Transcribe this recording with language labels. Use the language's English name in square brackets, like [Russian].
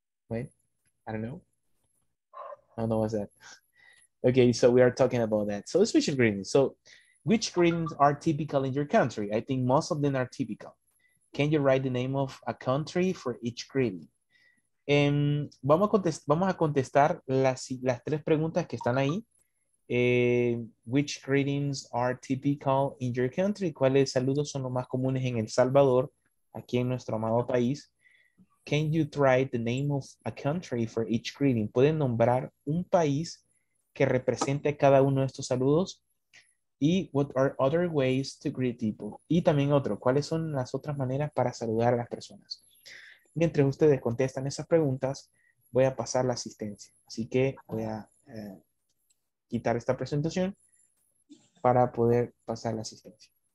[English] Wait, I don't know. I don't know what's that. Okay, so we are talking about that. So special greetings. So, which greetings are typical in your country? I think most of them are typical. Can you write the name of a country for each greeting? [Spanish] Vamos a contestar las tres preguntas que están ahí. [English] Which greetings are typical in your country? [Spanish] ¿Cuáles saludos son los más comunes en El Salvador, aquí en nuestro amado país? [English] Can you write the name of a country for each greeting? [Spanish] ¿Pueden nombrar un país que represente cada uno de estos saludos? [English] Y what are other ways to greet people? [Spanish] Y también otro, ¿cuáles son las otras maneras para saludar a las personas? Mientras ustedes contestan esas preguntas, voy a pasar la asistencia. Así que voy a quitar esta presentación para poder pasar la asistencia.